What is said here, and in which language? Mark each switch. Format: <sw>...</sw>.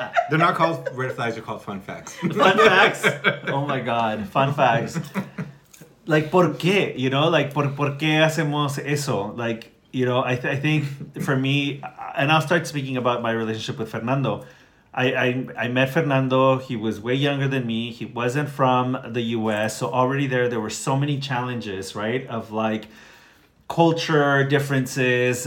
<en>They're not called red flags. They're called fun facts. Fun facts? Oh my God. Fun facts. Like,</en> <es>¿por qué?</es> <en>You know, like,</en> <es>¿por qué hacemos eso?</es> <en>Like, you know, I think for me, and I'll start speaking about my relationship with Fernando. I met Fernando. He was way younger than me. He wasn't from the U.S. So already there were so many challenges, right? Of like culture differences.</en>